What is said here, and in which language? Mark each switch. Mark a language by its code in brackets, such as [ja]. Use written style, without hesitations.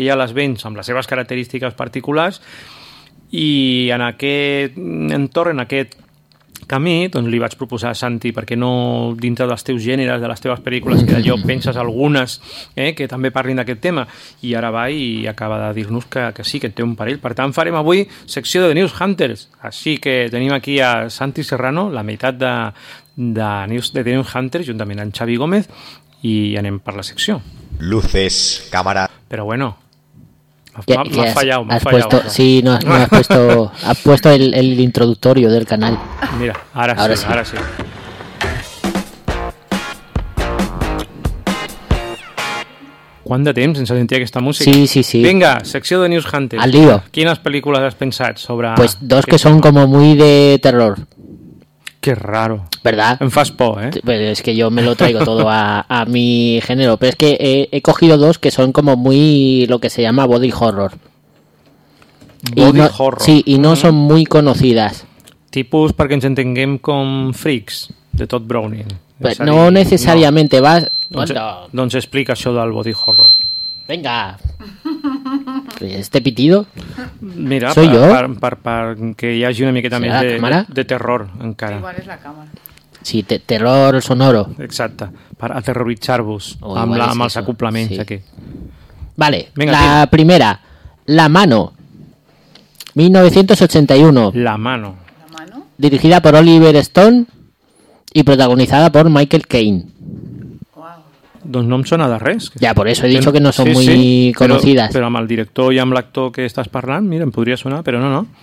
[ca] Ella les venç amb les seves característiques particulars i en aquest entorn, en aquest camí, doncs li vaig proposar a Santi, perquè no dintre dels teus gèneres, de les teves pel·lícules, que d'allò penses algunes que també parlin d'aquest tema, i ara va i acaba de dir-nos que sí, que té un parell. Per tant, farem avui secció de News Hunters, així que tenim aquí a Santi Serrano, la meitat de News Hunters, juntament amb Xavi Gómez, i anem per la secció. Luces, càmera. Però bueno, m'has fallat. [es] Puesto, sí, no has puesto, has puesto el introductorio del canal. Mira, ahora sí. [ca] Quant de temps sense sentir aquesta música? Sí. Vinga, secció de News Hunters. [es] Al lío. [ca] Quines pel·lícules has pensat sobre... [es] Pues dos que són com muy de terror. Qué raro. ¿Verdad? En fast po, ¿eh? Pues es que yo me lo traigo todo a mi género. Pero es que he cogido dos que son como muy lo que se llama body horror. Body horror. Sí, y no son muy conocidas. Tipus para que nos entendamos con Freaks, de Todd Browning. Pues no dir, necesariamente, no. ¿Va? [ca] Doncs explica això del body horror. [es] Venga. Este pitido. Mira, soy yo. [ca] Per que hi hagi una miqueta més de terror encara. Igual és la càmera. [es] Sí, terror sonoro. [ca] Exacte, per aterroritzar-vos amb els acoplaments aquí. [es] Vale, venga, la primera, La mano. 1981. La mano. Dirigida por Oliver Stone y protagonizada por Michael Caine. [ca] Doncs no em sona de res. Ja, per això he dit que no són molt conegudes. Però amb el director i amb l'actor que estàs parlant, mira, em podria sonar, però no.